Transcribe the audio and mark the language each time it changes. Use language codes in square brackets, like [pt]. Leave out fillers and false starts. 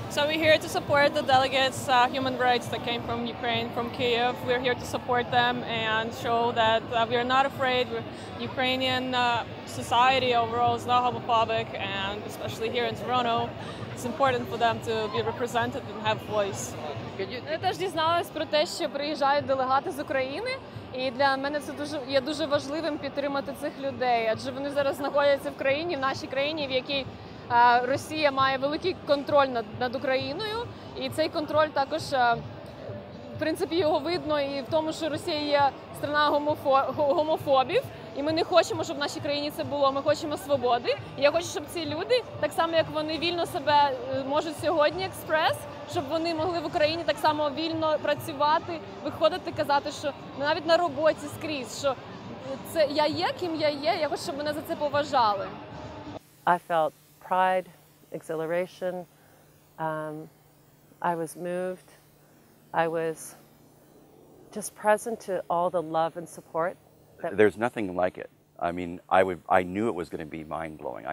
[en] So we're here to support the delegates, human rights that came from Ukraine, from Kyiv. We're here to support them and show that we are not afraid. Ukrainian society overall is not homophobic, and especially here in Toronto, it's important for them to be represented and have a voice. [uk] Я теж дізналась про те, що приїжджають делегати з України, і для мене це дуже є дуже важливим підтримати цих людей, адже вони зараз знаходяться в країні, в нашій країні, в якій Росія має великий контроль над Україною, і цей контроль також в принципі його видно і в тому, що Росія є страна гомофобів. І ми не хочемо, щоб в нашій країні це було, ми хочемо свободи. І я хочу, щоб ці люди, так само, як вони вільно себе можуть сьогодні експрес, щоб вони могли в Україні так само вільно працювати, виходити, казати, що навіть на роботі скрізь, що це я є, ким я є, я хочу, щоб мене за це поважали. [en] I felt pride, exhilaration, I was moved, I was just present to all the love and support. There's nothing like it. I mean, I knew it was going to be mind-blowing.